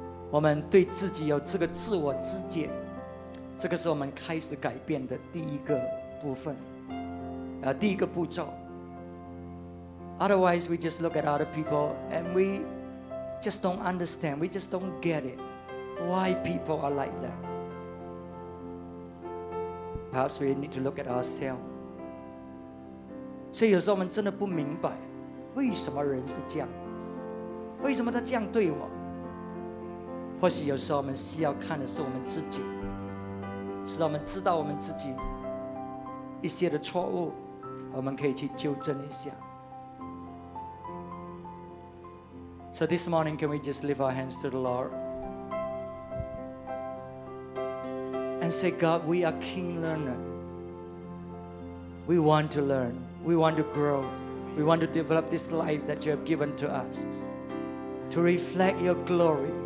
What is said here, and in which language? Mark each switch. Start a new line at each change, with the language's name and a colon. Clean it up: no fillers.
Chinese: 我们对自己有这个自我知觉, 这个是我们开始改变的第一个部分, 第一个步骤。
English: Otherwise, we just look at other people and we just don't understand, we just don't get it, why people are like that. Perhaps we need to look at ourselves.
Chinese: 所以有时候我们真的不明白, 为什么人是这样? 为什么他这样对我?或许有时候我们需要看的是我们自己, 使得我们知道我们自己一些的错误, 我们可以去纠正一下。
English: So this morning, can we just lift our hands to the Lord and say, God, we are keen learners. We want to learn. We want to grow. We want to develop this life that you have given to us to reflect your glory.